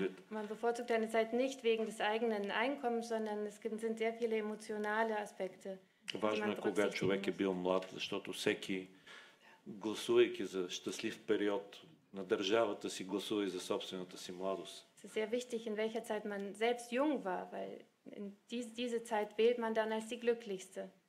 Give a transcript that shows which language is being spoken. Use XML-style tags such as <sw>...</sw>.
<de>Man bevorzugt eine Zeit nicht wegen des eigenen Einkommens, sondern es sind sehr viele emotionale Aspekte.</de> <bg>Важно е кога човек е бил млад, защото всеки, гласувайки за щастлив период на държавата си, гласува и за собствената си младост.</bg> <de>Es ist sehr wichtig, in welcher Zeit man selbst jung war, weil in diese Zeit wählt man dann als die glücklichste.</de>